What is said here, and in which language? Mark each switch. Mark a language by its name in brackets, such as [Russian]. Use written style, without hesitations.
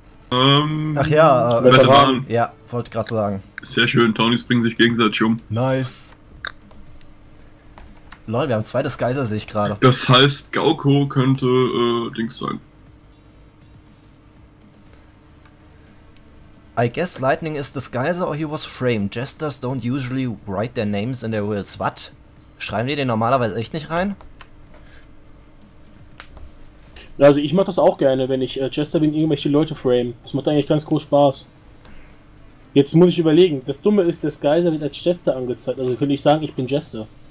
[German] Ach ja, Veteran. Ja, wollte gerade sagen. Sehr schön, Tonys bringen sich gegenseitig um. [English] Nice. [German] Lol, wir haben zwei Disguiser, sehe ich gerade. Das heißt, Gauko könnte Dings sein. [English] I guess Lightning is Disguiser or he was framed. Jesters don't usually write their names in their wills. What? [German] Schreiben die den normalerweise echt nicht rein? Also ich mach das auch gerne, wenn ich Chester bin, irgendwelche Leute frame. Das macht eigentlich ganz groß Spaß. Jetzt muss ich überlegen. Das Dumme ist, der Disguiser wird als Chester angezeigt. Also könnte ich sagen, ich bin Chester.